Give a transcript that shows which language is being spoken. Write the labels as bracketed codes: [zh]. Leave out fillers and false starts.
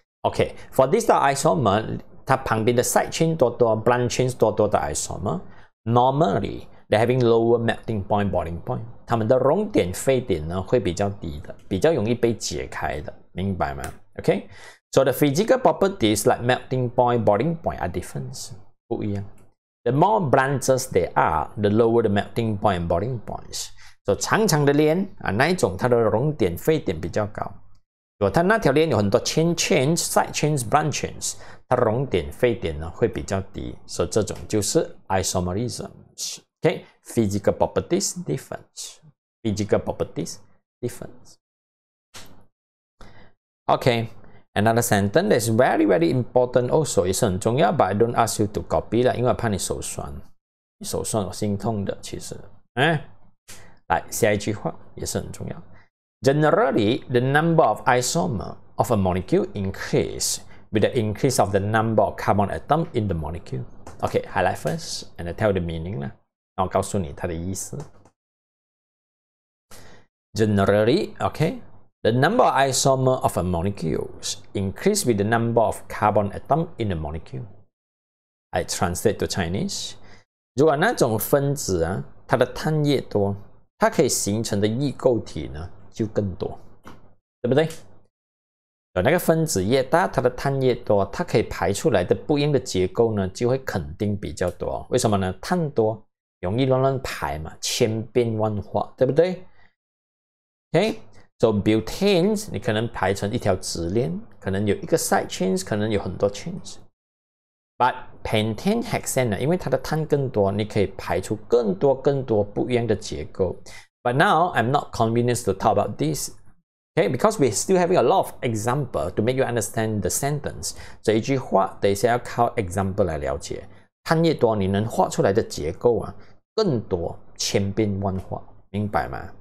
[en] OK, for this type of isomer, 它旁边的 side chain 多多 ,branch chains 多多的 isomer, normally, they having lower melting point, boiling point, [zh] 它们的熔点沸点呢会比较低的，比较容易被解开的，明白吗 [en] ?OK? So the physical properties like melting point, boiling point are different, [zh] 不一样。 [en] The more branches there are, the lower the melting point and boiling points. [zh] So 长长的链、啊、那一种它的熔点沸点比较高。如果它那条链有很多 chain chains, side chains, branch chains, 它熔点沸点呢会比较低。 [en] 所、so, [zh] 以这种就是 [en] isomerisms. Okay, physical properties difference. Physical properties difference. Okay. Another sentence that is very, very important also, [zh] 也是很重要 [en] but I don't ask you to copy [zh] 啦，因为我怕你手酸，你手酸我心痛的其实、嗯、来下一句话也是很重要 [en] Generally, the number of isomer of a molecule increase with the increase of the number of carbon atom in the molecule. OK, highlight first and I tell the meaning [zh] 啦，我告诉你它的意思 [en] Generally, OK,The number of isomer of a molecule increase with the number of carbon atom in the molecule. I translate to Chinese. [zh] 如果那种分子啊，它的碳越多，它可以形成的异构体呢就更多，对不对？有那个分子越大，它的碳越多，它可以排出来的不一样的结构呢就会肯定比较多。为什么呢？碳多容易乱排嘛，千变万化，对不对 ？OK。 So butanes, 你可能排成一条直链，可能有一个 side chains, 可能有很多 chains. But pentane hexane, 因为它的碳更多，你可以排出更多更多不一样的结构。 [en] But now, I'm not convinced to talk about this. Okay, because we still having a lot of example to make you understand the sentence. [zh] 这一句话等一下要靠 example 来了解。汗液多，你能画出来的结构啊，更多，千变万化，明白吗？